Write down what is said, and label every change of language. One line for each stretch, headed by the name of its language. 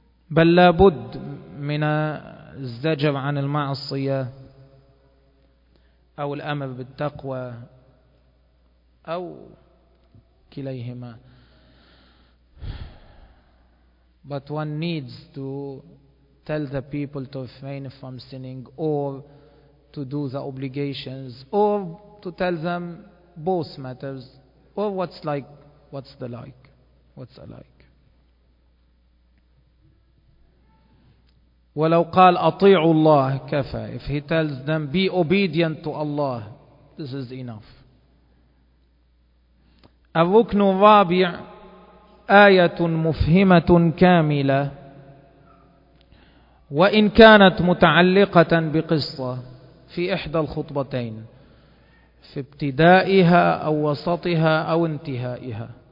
Arabic: بل لابد من الزجر عن المعصية أو الأمر بالتقوى أو كليهما.
English: But one needs to tell the people to refrain from sinning or to do the obligations or to tell them both matters or what's like, what's the like, what's alike.
Arabic: ولو قال أطيعوا الله كفى.
English: If he tells them be obedient to Allah, this is enough.
Arabic: الركن الرابع آية مفهمة كاملة وإن كانت متعلقة بقصة في إحدى الخطبتين في ابتدائها أو وسطها أو انتهائها.